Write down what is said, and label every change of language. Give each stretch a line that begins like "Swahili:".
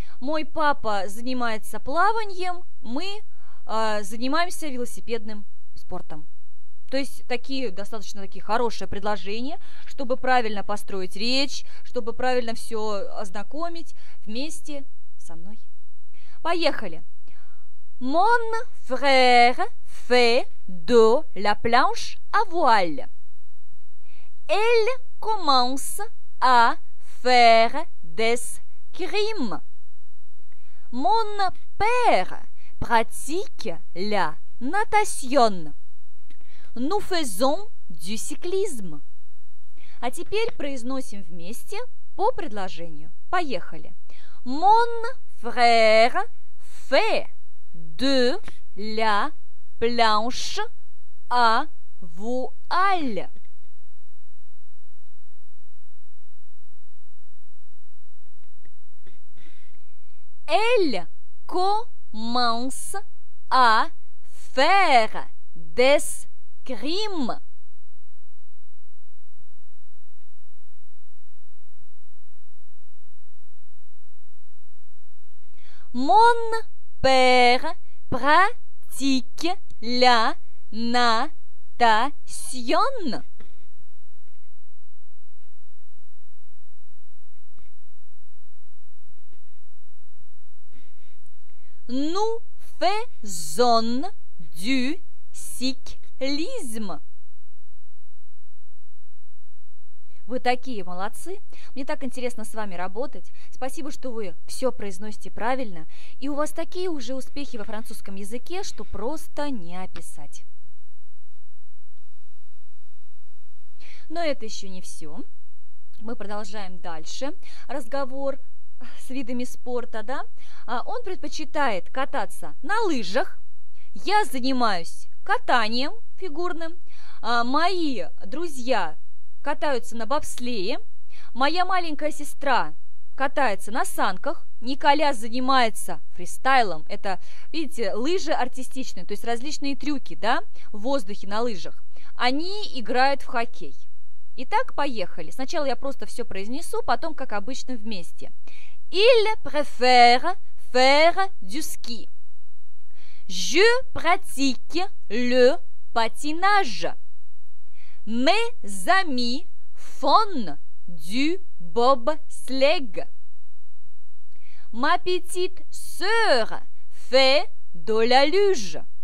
Russian: Мой папа занимается плаванием, мы занимаемся велосипедным спортом. То есть такие достаточно такие хорошие предложения, чтобы правильно построить речь, чтобы правильно все ознакомить вместе со мной. Поехали.
French: Mon frère fait de la planche à voile. Elle commence à faire des crimes. Mon père pratique la natation. Nous faisons du cyclisme.
Russian: А теперь произносим вместе по предложению. Поехали.
French: Mon frère fait de la planche à voile. Elle commence à faire des crime. Mon père pratique la natation. Nous faisons du cyclisme.
Russian: Вы такие молодцы! Мне так интересно с вами работать. Спасибо, что вы все произносите правильно. И у вас такие уже успехи во французском языке, что просто не описать. Но это еще не все. Мы продолжаем дальше разговор с видами спорта, да? Он предпочитает кататься на лыжах. Я занимаюсь катанием фигурным. Мои друзья катаются на бобслее. Моя маленькая сестра катается на санках. Николя занимается фристайлом. Это, видите, лыжи артистичные, то есть различные трюки, да, в воздухе на лыжах. Они играют в хоккей. Итак, поехали. Сначала я просто все произнесу, потом, как обычно, вместе.
French: Il préfère faire du ski. Je pratique le patinage. Mes amis font du bobsleigh. Ma petite sœur fait de la luge.